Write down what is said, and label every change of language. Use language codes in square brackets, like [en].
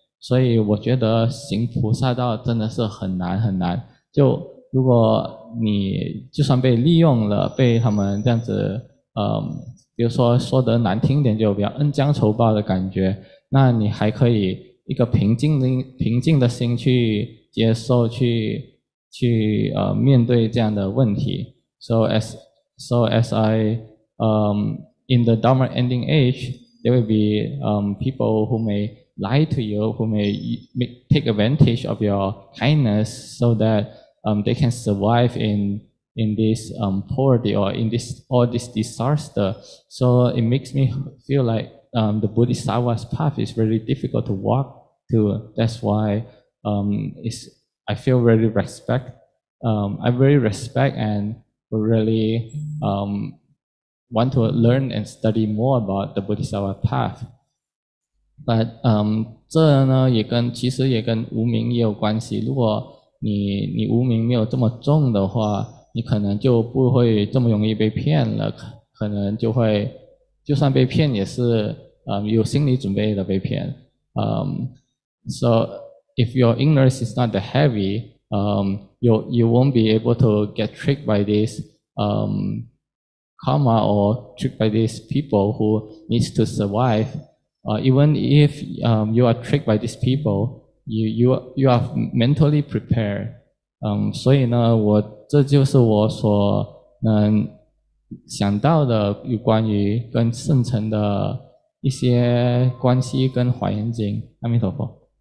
[zh] 所以我觉得行菩萨道真的是很难很难，就如果你就算被利用了，被他们这样子比如说得难听点，就比较恩将仇报的感觉，那你还可以一个平静的心去接受，去面对这样的问题。 [en] So as I in the Dharma ending age, there will be people who may lie to you, who may take advantage of your kindness so that they can survive in this poverty or in this all this disaster. So it makes me feel like the Bodhisattva's path is really difficult to walk to. That's why I feel really respect. I really respect and really want to learn and study more about the Bodhisattva path. [zh] But 这呢也跟其实也跟无明也有关系。如果你无明没有这么重的话，你可能就不会这么容易被骗了，可能就会就算被骗也是有心理准备的被骗。 [en] So if your ignorance is not that heavy, you won't be able to get tricked by this karma or tricked by these people who needs to survive. Even if you are tricked by these people, you are mentally prepared. [zh] 所以呢，我这就是我所能想到的有关于跟圣城的一些关系跟华严经。阿弥陀佛。